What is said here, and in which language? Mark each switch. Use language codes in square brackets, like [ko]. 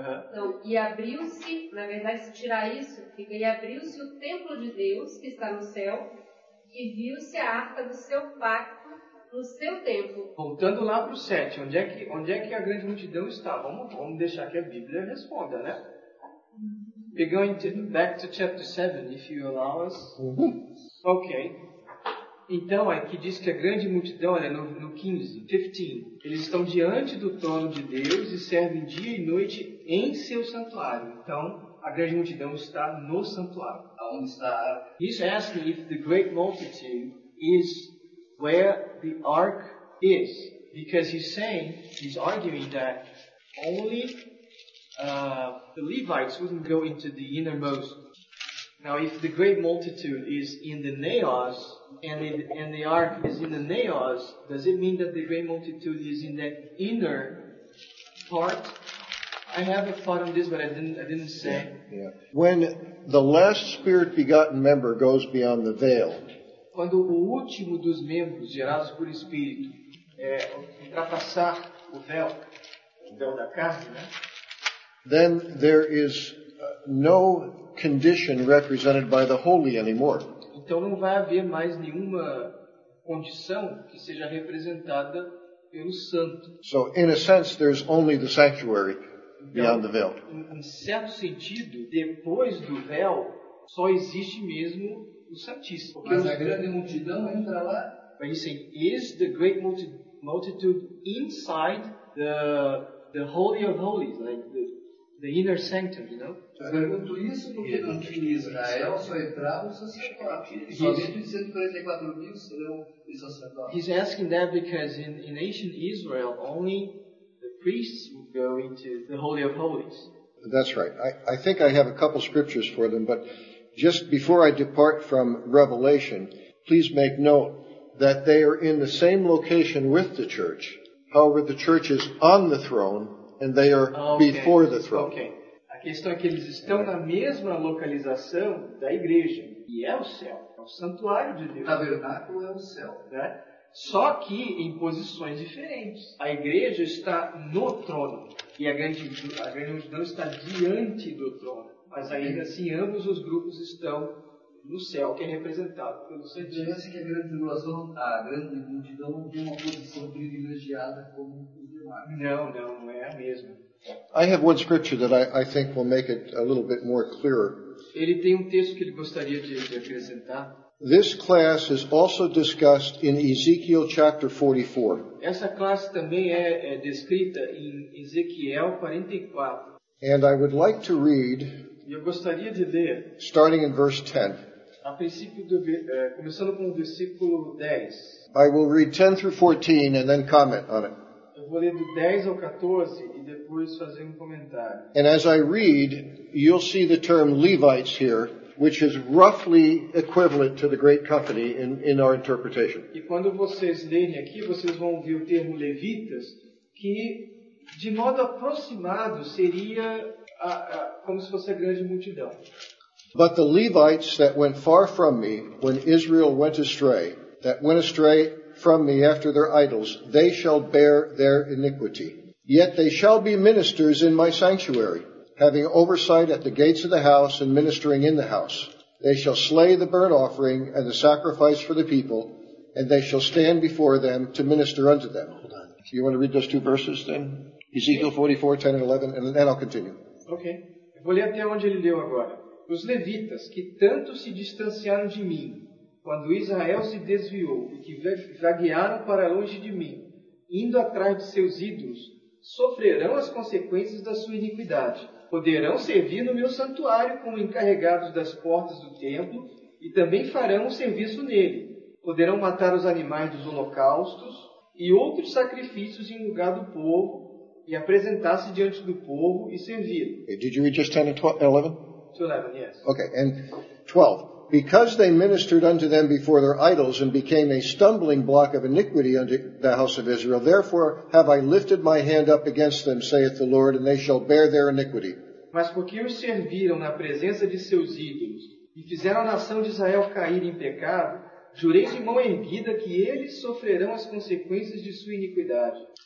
[pt] Então, e abriu-se, na verdade, se tirar isso, fica, e abriu-se o templo de Deus que está no céu, e viu-se a arca do seu pacto no seu templo. Voltando lá para o 7, onde é que a grande multidão está? Vamos deixar que a Bíblia responda, né? [en] We're going to back to chapter 7, if you allow us. Ok. [pt] Então, aqui diz que a grande multidão, olha, no 15, eles estão diante do trono de Deus e servem dia e noite em seu santuário. Então, a grande multidão está no santuário. Aonde está? [en] He's asking if the great multitude is where the ark is. Because he's arguing that only... the Levites wouldn't go into the innermost. Now, if the great multitude is in the naos, and the ark is in the naos, does it mean that the great multitude is in that inner part? I have a thought on this, but I didn't say. Yeah. When the last spirit-begotten member goes beyond the veil, [pt] quando o último dos membros gerados por espírito ultrapassar o véu da carne, né? [en] Then there is no condition represented by the holy anymore. [pt] Então não vai haver mais nenhuma condição que seja representada pelo santo. [en] So in a sense there's only the sanctuary beyond the veil. [pt] Em certo sentido, depois do véu, só existe mesmo o santíssimo. Mas a grande multidão entra lá. [en] But you say, is the great multitude inside the holy of holies, like the inner sanctum, you know? [pt] Pergunto isso porque no antigo Israel só entrava o sacerdote. Somente os 144.000 serão os sacerdotes. [en] He's asking that because in ancient Israel only the priests would go into the Holy of Holies. That's right. I think I have a couple scriptures for them, but just before I depart from Revelation, please make note that they are in the same location with the church. However, the church is on the throne. And they are before the throne. Okay. [pt] A questão é que eles estão na mesma localização da igreja. E é o céu. É o santuário de Deus. O tabernáculo é o céu. Né? Só que em posições diferentes. A igreja está no trono. E a grande multidão está diante do trono. Mas ainda assim, ambos os grupos estão no céu, que é representado pelo Santíssimo. Parece que a grande multidão não tem uma posição privilegiada como... Não, é a mesma. [en] I have one scripture that I think will make it a little bit more clearer. [pt] Ele tem um texto que ele gostaria de apresentar. [en] This class is also discussed in Ezekiel chapter 44. [pt] Essa classe também é descrita em Ezequiel 44. [en] And I would like to read. [pt] Eu gostaria de ler. [en] Starting in verse 10. [pt] A princípio do começando com o versículo 10. [en] I will read 10 through 14 and then comment on it. [pt] vou ler do 10 ao 14 e depois fazer comentário. [en] And as I read, you'll see the term Levites here, which is roughly equivalent to the Great Company in our interpretation. [pt] E quando vocês lerem aqui, vocês vão ver o termo Levitas, que de modo aproximado seria como se fosse a grande multidão. [en] But the Levites that went far from me when Israel went astray, that went astray from me after their idols, they shall bear their iniquity. Yet they shall be ministers in my sanctuary, having oversight at the gates of the house and ministering in the house. They shall slay the burnt offering and the sacrifice for the people, and they shall stand before them to minister unto them. Hold on. You want to read those two verses then? Ezekiel 44, 10 and 11, and then I'll continue. [pt] Okay. Vou ler até onde ele leu agora. Os levitas que tanto se distanciaram de mim, quando Israel se desviou e que vaguearam para longe de mim, indo atrás de seus ídolos, sofrerão as consequências da sua iniquidade. Poderão servir no meu santuário como encarregados das portas do templo e também farão o serviço nele. Poderão matar os animais dos holocaustos e outros sacrifícios em lugar do povo e apresentar-se diante do povo e servir. [en] Did you read just 10 and 11? 11, yes. Okay, and 12. Because they ministered unto them before their idols and became a stumbling block of iniquity unto the house of Israel, therefore have I lifted my hand up against them, saith the Lord, and they shall bear their iniquity. [pt] Mas porque os serviram na presença de seus ídolos e fizeram a nação de Israel cair em pecado, jurei de mão erguida que eles sofrerão as consequências de sua iniquidade.